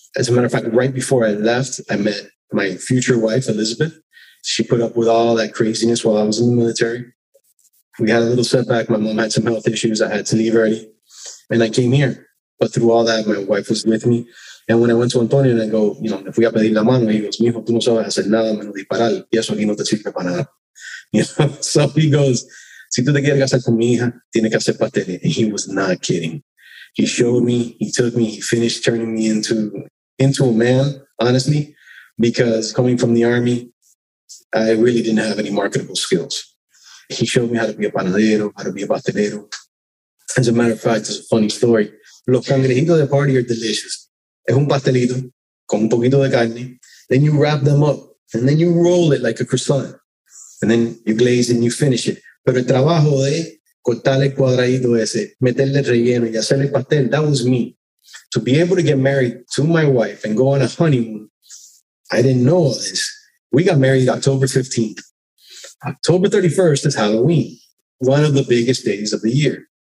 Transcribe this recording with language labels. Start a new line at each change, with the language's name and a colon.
English: As a matter of fact, right before I left, I met my future wife, Elizabeth. She put up with all that craziness while I was in the military. We had a little setback. My mom had some health issues. I had to leave early. And I came here. But through all that, my wife was with me. And when I went to Antonio and I go, you know,
Spanish: me fui a pedir la mano,
English: he goes,
Spanish: mijo, tú no sabes hacer nada, menos disparar. Y eso aquí no te sirve para nada.
English: You know? So he goes,
Spanish: si tú te quieres casar con mi hija, tienes que hacer pastel.
English: And he was not kidding. He showed me, he took me, he finished turning me into a man, honestly, because coming from the Army, I really didn't have any marketable skills. He showed me how to be a panadero, how to be a pastelero. As a matter of fact, it's a funny story.
Spanish: Los cangrejitos de party
English: are delicious.
Spanish: Es un pastelito con un poquito de carne.
English: Then you wrap them up and then you roll it like a croissant. And then you glaze and you finish it.
Spanish: Pero el trabajo de cortar el cuadradito ese, meterle relleno y hacerle pastel,
English: that was me. To be able to get married to my wife and go on a honeymoon, I didn't know all this. We got married October 15th. October 31st is Halloween, one of the biggest days of the year.